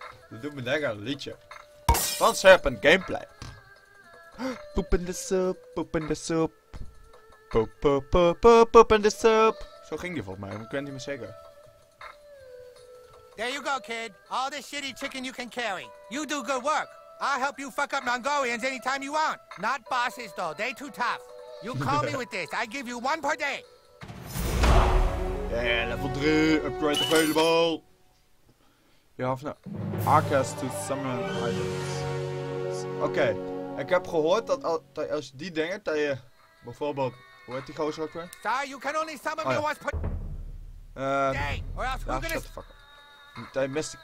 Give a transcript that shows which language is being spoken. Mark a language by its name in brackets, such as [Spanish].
[Dutch] Dat doet me denken aan een liedje. Van Serpent Gameplay. Poep in de soep, poep in de soep. Poep, poep, poep, poep, poep in de soep. Zo ging die volgens mij, maar ik weet niet meer zeker. [English] There you go, kid. All this shitty chicken you can carry. You do good work. I'll help you fuck up Mongolians anytime you want. Not bosses, though. They too tough. You call me with this. I give you one per day. Yeah, level 3. Upgrade available. [Dutch] Je hebt een arcus [English] to summon items. [Dutch] Oké, ik heb gehoord dat als je die dingen, dat je bijvoorbeeld, hoe heet die gozer ook weer? [English] Sorry, you can only summon me once per day. Shut the fuck up. [Dutch] Dat je [English] Mr.